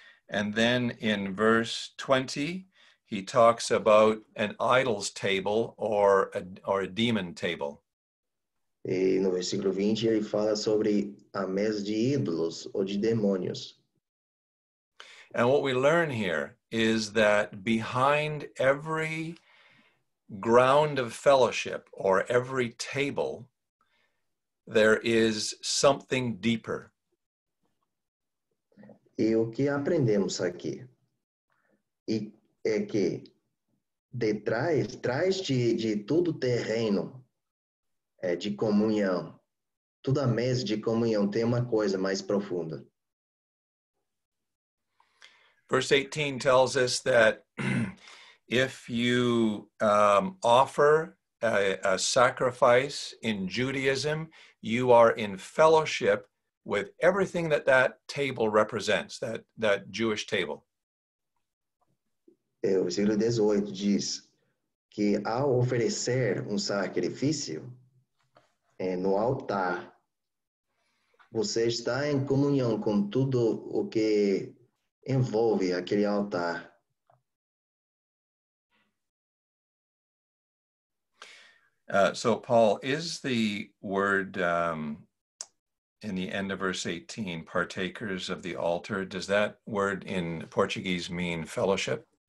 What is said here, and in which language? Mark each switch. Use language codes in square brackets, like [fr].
[en] And then in verse 20, he talks about an idol's table or a demon table. [pt] E no versículo 20, ele fala sobre a mesa de ídolos ou de demônios. [en] And what we learn here is that behind every ground of fellowship or every table, there is something deeper. [pt] E o que aprendemos aqui? E é que detrás de todo terreno de comunhão, toda mesa de comunhão tem uma coisa mais profunda. [en] Verse 18 tells us that if you offer a sacrifice in Judaism, you are in fellowship with everything that that table represents, that Jewish table. [pt] O versículo 18 diz que ao oferecer sacrifício no altar, você está em comunhão com tudo o que envolve aquele altar. [en] So Paul, is the word in the end of verse 18, partakers of the altar, does that word in Portuguese mean fellowship?